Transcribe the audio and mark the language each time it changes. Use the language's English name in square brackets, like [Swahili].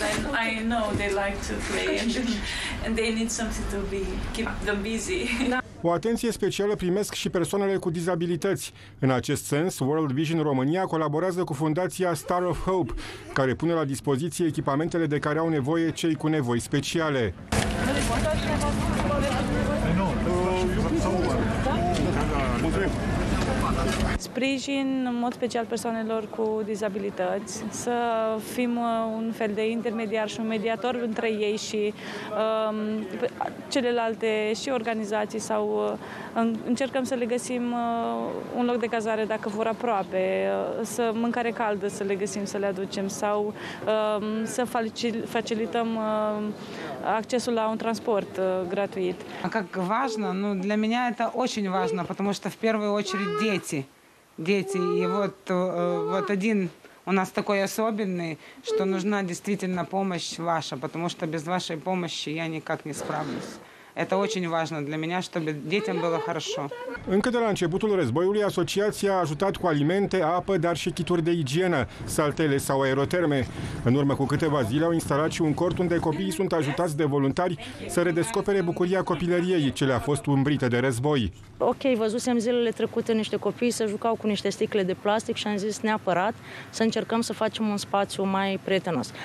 [English] I know they like to play and they need something to be keep them busy. [Romanian] O atenție specială primesc și persoanele cu dizabilități. În acest sens, World Vision România colaborează cu fundația Star of Hope, care pune la dispoziție echipamentele de care au nevoie cei cu nevoi speciale. Sprijin în mod special persoanelor cu dizabilități, să fim un fel de intermediar și un mediator între ei și celelalte și organizații sau încercăm să le găsim un loc de cazare dacă vor aproape, să mâncare caldă să le găsim, să le aducem sau să facilităm accesul la un transport gratuit. [Russian] Как важно, ну для меня это очень важно, потому что в первую очередь дети. Дети, и вот, вот один у нас такой особенный, что нужна действительно помощь ваша, потому что без вашей помощи я никак не справлюсь. Это очень важно для меня, чтобы детям было хорошо. [Romanian] Încă de la începutul războiului, asociația a ajutat cu alimente, apă, dar și kituri de igienă, saltele sau aeroterme. În urmă cu câteva zile au instalat și un cort unde copiii sunt ajutați de voluntari să redescopere bucuria copilăriei, ce le-a fost umbrită de război. Ok, văzusem zilele trecute niște copii să jucau cu niște sticle de plastic și am zis neapărat să încercăm să facem un spațiu mai prietenos.